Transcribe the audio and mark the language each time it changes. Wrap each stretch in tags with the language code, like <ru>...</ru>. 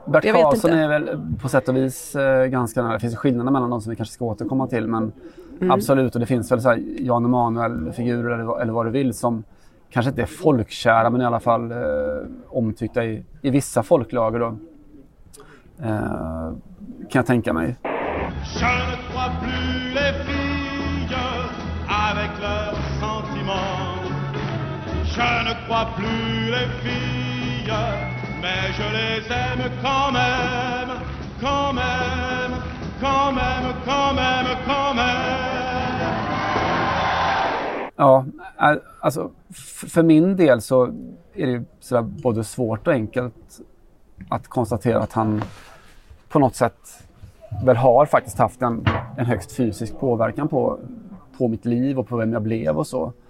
<sv>Bert Karlsson är väl på sätt och vis ganska nära. Det finns skillnader mellan dem som vi kanske ska återkomma till. Men absolut, och det finns väl så här Jan Emanuel-figurer eller vad du vill, som kanske inte är folkkära, men i alla fall omtyckta i vissa folklager. Då. Kan jag tänka mig.</sv> <fr>Je ne crois plus les filles avec leurs sentiments. Je ne crois plus les filles. Mais je les aime quand même, quand même, quand même, quand même, quand même.</fr> <sv>Ja, alltså för min del så är det ju så där både svårt och enkelt att konstatera att han på något sätt väl har faktiskt haft en högst fysisk påverkan på mitt liv och på vem jag blev och så.</sv>